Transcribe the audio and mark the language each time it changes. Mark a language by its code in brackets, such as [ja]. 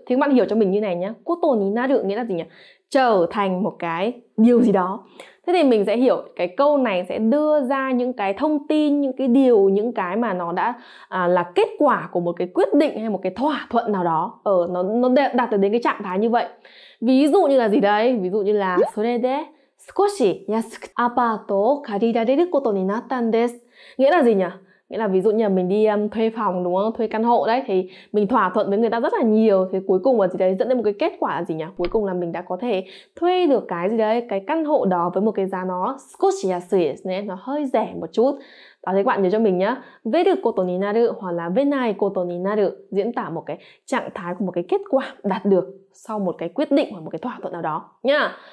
[vi] Thì các bạn hiểu cho mình như này nhé. Koto ni naru nghĩa là gì nhỉ? Trở thành một cái điều gì đó. Thế thì mình sẽ hiểu cái câu này sẽ đưa ra những cái thông tin, những cái điều, những cái mà nó đã là kết quả của một cái quyết định hay một cái thỏa thuận nào đó. Nó đạt được đến cái trạng thái như vậy. Ví dụ như là gì đấy? Ví dụ như là sore de [ja] 少し安くアパートを借りられることになったんです。 [vi] Nghĩa là gì nhỉ? Nghĩa là ví dụ như mình đi thuê phòng đúng không? Thuê căn hộ đấy thì mình thỏa thuận với người ta rất là nhiều. Thế cuối cùng là gì đấy? Dẫn đến một cái kết quả là gì nhỉ? Cuối cùng là mình đã có thể thuê được cái gì đấy? Cái căn hộ đó với một cái giá nó [ja] 少し安いですね. [vi] Nó hơi rẻ một chút. Đó thì các bạn nhớ cho mình nhá. Về được ことになる hoặc là về ないことになる diễn tả một cái trạng thái của một cái kết quả đạt được sau một cái quyết định hoặc một cái thỏa thuận nào đó nhá.